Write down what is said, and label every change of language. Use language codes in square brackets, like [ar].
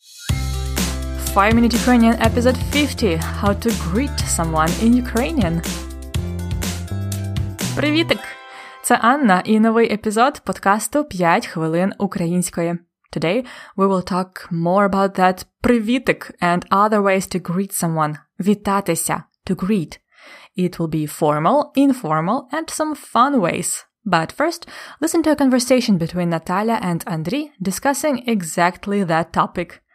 [en] 5 Minute Ukrainian Episode 50 – How to greet someone in Ukrainian. [uk] Привітик! Це Анна і новий епізод подкасту «5 хвилин української». [en] Today we will talk more about that привітик and other ways to greet someone – вітатися, to greet. It will be formal, informal and some fun ways. But first, listen to a conversation between Natalia and Andriy discussing exactly that topic.